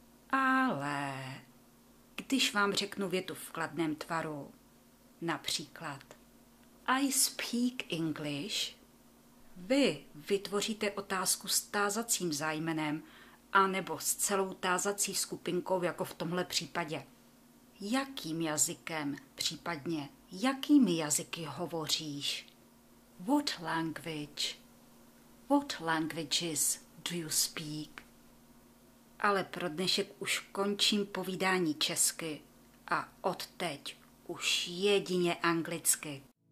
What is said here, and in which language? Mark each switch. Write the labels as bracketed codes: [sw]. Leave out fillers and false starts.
[cs] Ale když vám řeknu větu v kladném tvaru, například [en] I speak English, [cs] vy vytvoříte otázku s tázacím zájmenem anebo s celou tázací skupinkou, jako v tomhle případě. Jakým jazykem, případně jakými jazyky hovoříš? [en] What language? What languages do you speak? [cs] Ale pro dnešek už končím povídání česky a odteď už jedině anglicky.